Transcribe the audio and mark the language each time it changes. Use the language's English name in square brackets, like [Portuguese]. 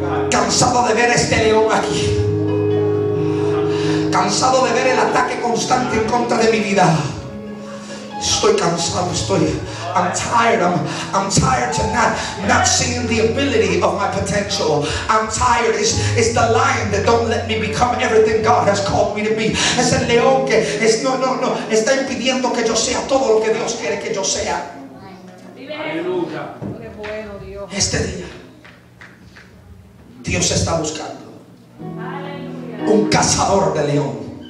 [Spanish] Cansado de ver a este león aquí. Cansado de ver el ataque constante en contra de mi vida. Estoy cansado, estoy. [English] I'm tired to not seeing the ability of my potential. I'm tired. It's the lion that don't let me become everything God has called me to be. [Spanish] Es el león que es, no. Está impidiendo que yo sea todo lo que Dios quiere que yo sea. Aleluya. Este día Dios está buscando un cazador de león.